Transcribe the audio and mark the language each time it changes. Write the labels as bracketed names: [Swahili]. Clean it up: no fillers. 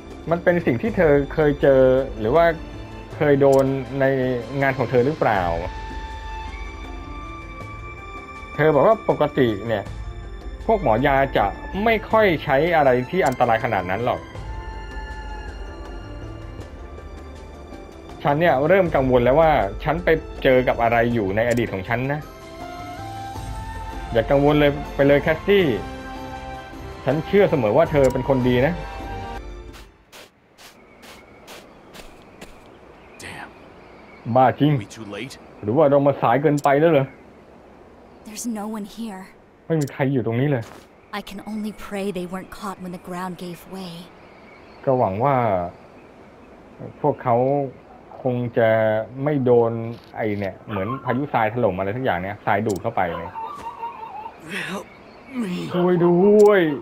[Thai] มันเป็นสิ่งที่เธอเคยเจอหรือว่าเคยโดนในงานของเธอหรือเปล่าเธอบอกว่าปกติเนี่ยพวกหมอยาจะไม่ค่อยใช้อะไรที่อันตรายขนาดนั้นหรอกฉันเนี่ยเริ่มกังวลแล้วว่าฉันไปเจอกับอะไรอยู่ในอดีตของฉันนะอย่ากังวลเลยไปเลยแคสตี้ฉันเชื่อเสมอว่าเธอเป็นคนดีนะ [English] Damn [Thai] บ้าจริงหรือว่าเรามาสายเกินไปแล้วเหรอ [English] There's no one here [Thai] ไม่มีใครอยู่ตรงนี้เลย [English] I can only pray they weren't caught when the ground gave way [Thai] ก็หวังว่าพวกเขาคงจะไม่โดนไอ้เนี่ยเหมือนพายุทรายถล่มอะไรทั้งอย่างเนี่ยทรายดูดเข้าไปเลยช่วยด้วย